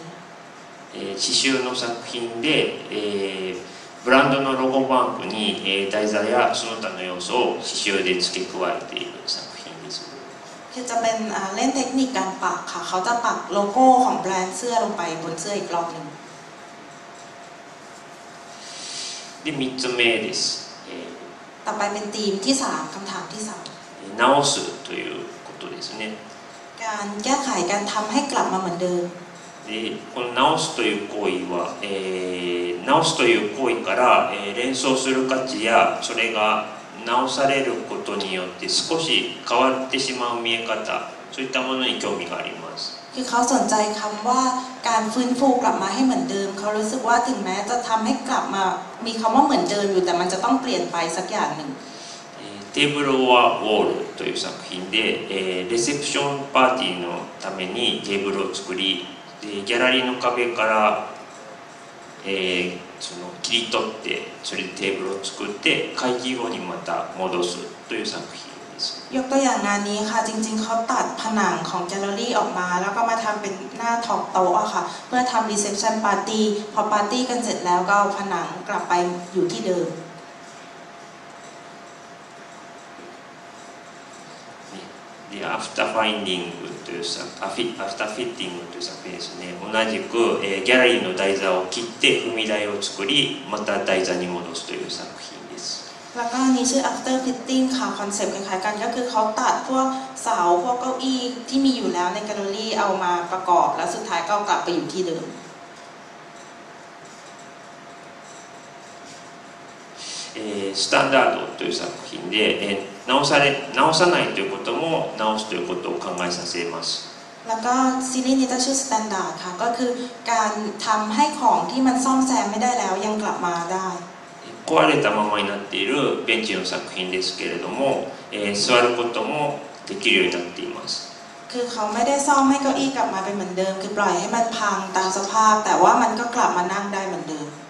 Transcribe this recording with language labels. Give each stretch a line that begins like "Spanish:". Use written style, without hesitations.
Japanese: 刺繍の作品でブランドのロゴマークに台座やその他の要素を刺繍で付け加えている作品です
Thai: คือจะเป็นเล่นเทคนิคการปักค่ะเขาจะปักโลโก้ของแบรนด์เสื้อลงไปบนเสื้ออีกรอบนึง
Japanese: で3つ目です
Thai: ต่อไปเป็นธีมที่3คำถามที่3
Japanese: 直すということですね
Thai: การแก้ไขการทำให้กลับมาเหมือนเดิม
Japanese: でこの直すという行為は直すという行為から連想する価値やそれが直されることによって少し変わってしまう見え方そういったものに興味があります
Thai: คือเขาสนใจคำว่าการฟื้นฟูกลับมาให้เหมือนเดิมเขารู้สึกว่าถึงแม้จะทำให้กลับมามีคำว่าเหมือนเดิมอยู่แต่มันจะต้องเปลี่ยนไปสักอย่างหนึ่ง
Japanese: テーブルオアウォールという作品でレセプションパーティーのためにテーブルを作りでギャラリーの壁からその切り取ってそれでテーブルを作って会議後にまた戻すという作品
Thai: ยกตัวอย่างงานนี้ค่ะจริงๆเขาตัดผนังของแกลเลอรี่ออกมาแล้วก็มาทำเป็นหน้าท็อปโต๊ะค่ะเพื่อทำรีเซพชันปาร์ตี้พอปาร์ตี้กันเสร็จแล้วก็เอาผนังกลับไปอยู่ที่เดิม เดี๋ยว
English: after finding to some after fitting to some place
Japanese: ね同じく、ギャラリーの台座を切って踏み台を作りまた台座に戻すという作品です
Thai: แล้วก็นี่ชื่อ after fitting ค่ะคอนเซ็ปต์คล้ายๆกันก็คือเขาตัดพวกเสาพวกเก้าอี้ที่มีอยู่แล้วในแกลเลอรี่เอามาประกอบแล้วสุดท้ายก็กลับไปอยู่ที่เดิม
Japanese: スタンダードという作品で、直さないということも直すということを考えさせます。
Thai: แล้วก็ซีรีส์นี้จะชื่อสแตนดาร์ดค่ะก็คือการทำให้ของที่มันซ่อมแซมไม่ได้แล้วยังกลับมาได้
Japanese: 壊れたままになっているベンチの作品ですけれども、座ることもできるようになっています。
Thai: คือเขาไม่ได้ซ่อมให้เก้าอี้กลับมาเป็นเหมือนเดิมคือปล่อยให้มันพังตามสภาพแต่ว่ามันก็กลับมานั่งได้เหมือนเดิม